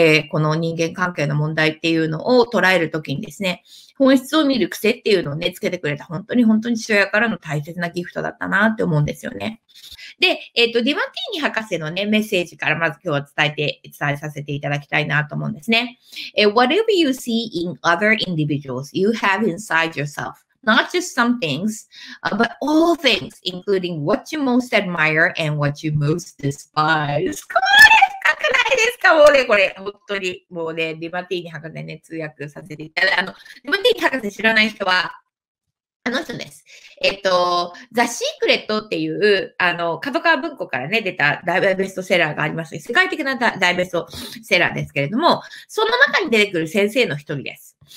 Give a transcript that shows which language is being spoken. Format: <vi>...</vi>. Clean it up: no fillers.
<ja>この人間関係の問題っていうのを捉えるときにですね、本質を見る癖っていうのをね、つけてくれた、本当に本当に父親からの大切なギフトだったなって思うんですよね。で、ディマティーニ博士のね、メッセージからまず今日は伝えさせていただきたいなと思うんですね。</ja> <en>Whatever you see in other individuals, you have inside yourself. Not just some things, but all things, including what you most admire and what you most despise.</en> <ja>これ深くないですか？もうね、これ、本当に、もうね、ディマティーニ博士ね、通訳させていただいて、ディマティーニ博士知らない人は、あの人です。ザ・シークレットっていう、角川文庫からね、出た大ベストセラーがありまして、世界的な大ベストセラーですけれども、その中に出てくる先生の一人です。</ja>